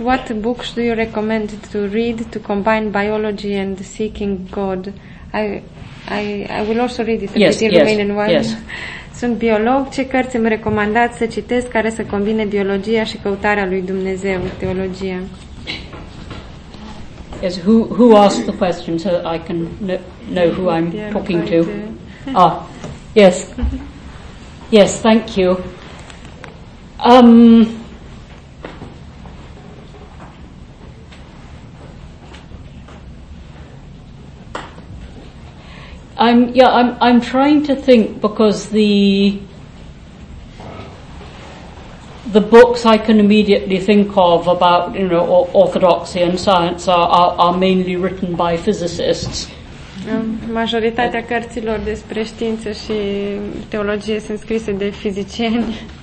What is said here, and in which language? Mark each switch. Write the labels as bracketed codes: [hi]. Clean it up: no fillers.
[en] What books do you recommend to read to combine biology and seeking God? I will also read it. Yes, yes, Romanian one. Yes. [ro] Sunt biolog. Ce cărți îmi recomandați să citesc care să combine biologia și căutarea lui Dumnezeu, teologia? [en] Yes, who asked the question so that I can know who I'm talking to? Ah, yes. Yes, thank you. I'm trying to think, because the books I can immediately think of about, you know, orthodoxy and science are mainly written by physicists. [ro] Majoritatea cărților despre știință și teologie sunt scrise de fizicieni.